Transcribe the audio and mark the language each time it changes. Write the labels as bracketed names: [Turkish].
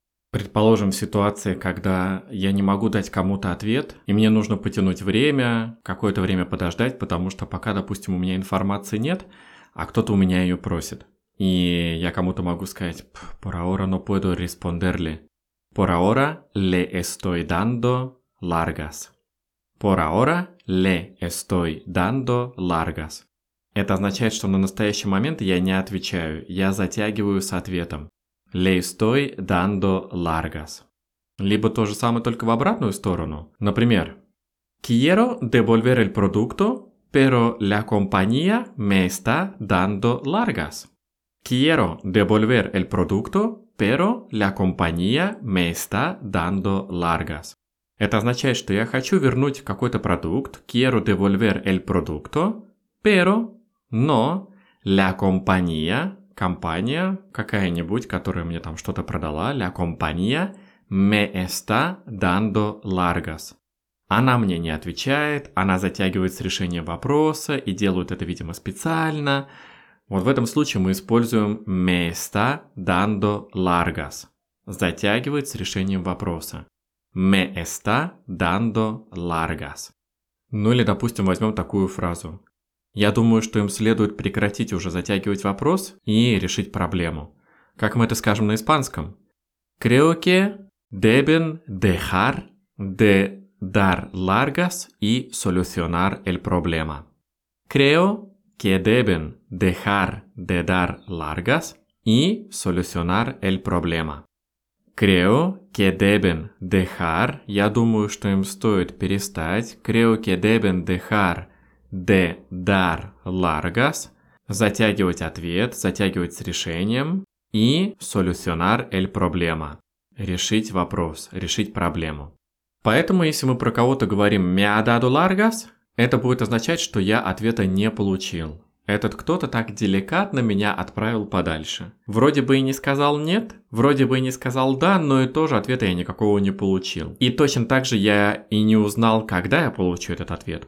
[Russian] Предположим, в ситуации, когда я не могу дать кому-то ответ, и мне нужно потянуть время, какое-то время подождать, потому что пока, допустим, у меня информации нет, а кто-то у меня ее просит. И я кому-то могу сказать [Spanish] «por ahora no puedo responderle». «Por ahora le estoy dando largas». «Por ahora le estoy dando largas». [Russian] Это означает, что на настоящий момент я не отвечаю, я затягиваю с ответом. [Spanish] «Le estoy dando largas». [Russian] Либо то же самое, только в обратную сторону. Например, [Spanish] «Quiero devolver el producto, pero la compañía me está dando largas». «Quiero devolver el producto, pero la compañía me está dando largas». [Russian] Это означает, что я хочу вернуть какой-то продукт. [Spanish] «Quiero devolver el producto, pero...» [Russian] «Но [Spanish] la compañía...» [Russian] «Компания какая-нибудь, которая мне там что-то продала». [Spanish] «La compañía me está dando largas». [Russian] Она мне не отвечает, она затягивает с решением вопроса и делает это, видимо, специально. Вот в этом случае мы используем [Spanish] «me está dando largas». [Russian] Затягивает с решением вопроса. [Spanish] «Me está dando largas». [Russian] Ну или, допустим, возьмем такую фразу. «Я думаю, что им следует прекратить уже затягивать вопрос и решить проблему». Как мы это скажем на испанском? [Spanish] «Creo que deben dejar de dar largas y solucionar el problema». «Creo que deben dejar de dar largas y solucionar el problema». «Creo que deben dejar», [Russian] я думаю, что им стоит перестать. [Spanish] «Creo que deben dejar de dar largas», [Russian] затягивать ответ, затягивать с решением, [Spanish] «y solucionar el problema», [Russian] решить вопрос, решить проблему. Поэтому, если мы про кого-то говорим [Spanish] «me ha dado largas», [Russian] это будет означать, что я ответа не получил. Этот кто-то так деликатно меня отправил подальше. Вроде бы и не сказал «нет», вроде бы и не сказал «да», но и тоже ответа я никакого не получил. И точно так же я и не узнал, когда я получу этот ответ.